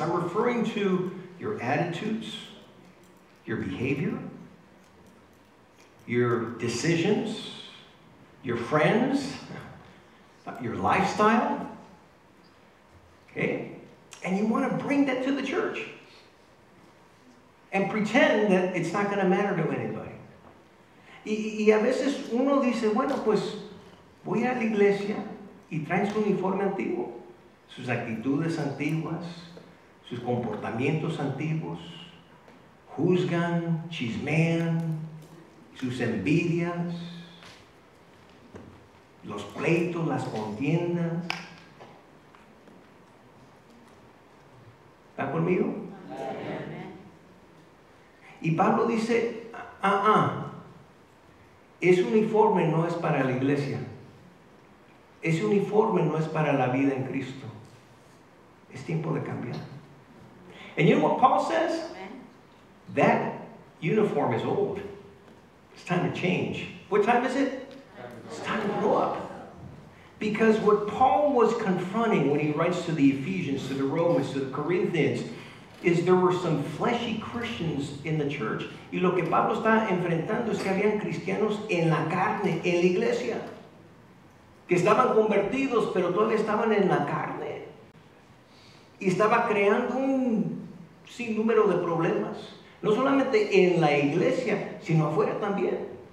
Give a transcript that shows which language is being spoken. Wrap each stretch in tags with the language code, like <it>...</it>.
<en>I'm referring to your attitudes, your behavior, your decisions, your friends, your lifestyle. Okay? And you want to bring that to the church and pretend that it's not going to matter to anybody.</en> <es>Y a veces uno dice, bueno, pues voy a la iglesia. Y traen su uniforme antiguo, sus actitudes antiguas, sus comportamientos antiguos, juzgan, chismean, sus envidias, los pleitos, las contiendas. ¿Está conmigo? Y Pablo dice, ese uniforme no es para la iglesia. Ese uniforme no es para la vida en Cristo. Es tiempo de cambiar.</es> <en>And you know what Paul says? Amen. That uniform is old. It's time to change. What time is it? It's time to grow up. Because what Paul was confronting when he writes to the Ephesians, to the Romans, to the Corinthians, is there were some fleshy Christians in the church.</en> <es>Y lo que Pablo está enfrentando es que habían cristianos en la carne, en la iglesia. Que estaban convertidos, pero todavía estaban en la carne. Y estaba creando un sinnúmero de problemas. No solamente en la iglesia, sino afuera también.</es>